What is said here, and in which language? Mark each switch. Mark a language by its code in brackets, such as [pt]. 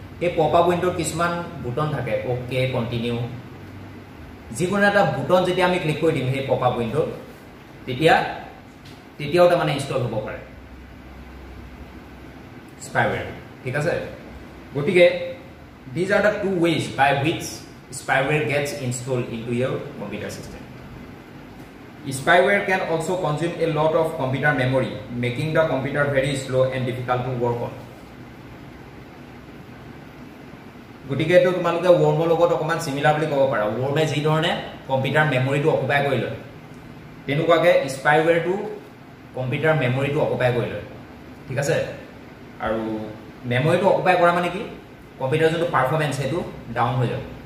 [as] এই pop up উইণ্ড'ৰ কিছুমান বুটন থাকে, অ'কে, কণ্টিনিউ, যিকোনো এটা বুটন যেতিয়া আমি ক্লিক কৰি দিম সেই পপ আপ উইণ্ড'ত তেতিয়াও তাৰমানে ইনষ্টল হ'ব পাৰে স্পাইৱেৰ। ঠিক আছে, গতিকে [en] These are the two ways by which spyware gets installed into your computer system. Spyware can also consume a lot of computer memory, making the computer very slow and difficult to work on. [as] গতিকে এইটো তোমালোকে ৱৰ্মৰ লগত অকণমান similar বুলি ক'ব পাৰা। ৱৰ্মে যি ধৰণে কম্পিউটাৰ মেমৰিটো অকুপাই কৰি লয় তেনেকুৱাকৈ স্পাইৱেৰটো কম্পিউটাৰ মেমৰিটো অকুপাই কৰি লয়। ঠিক আছে, আৰু মেমৰিটো অকুপাই কৰা মানে কি কম্পিউটাৰ যোনটো পাৰফৰ্মেঞ্চ সেইটো ডাউন হৈ যাব।